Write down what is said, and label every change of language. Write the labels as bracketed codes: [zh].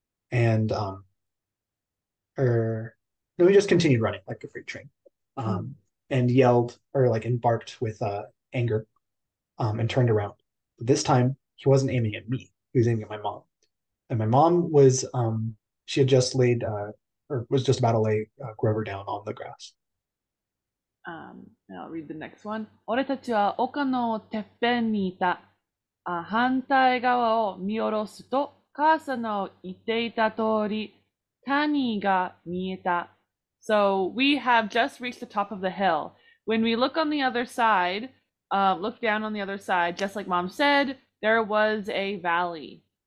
[en] And no, he just continued running like a freight train, and yelled or like embarked with anger, and turned around. But this time he wasn't aiming at me, he was aiming at my mom. And my mom was, she had just laid, or was just about to lay Grover down on the grass. I'll read the next one. [ja] 俺たちは丘のてっぺんにいた。反対側を見下ろすと、母さんの言っていた通り、谷が見えた。 [en] So we have just reached the top of the hill. When we look on the other side, look down on the other side, just like mom said, there was a valley.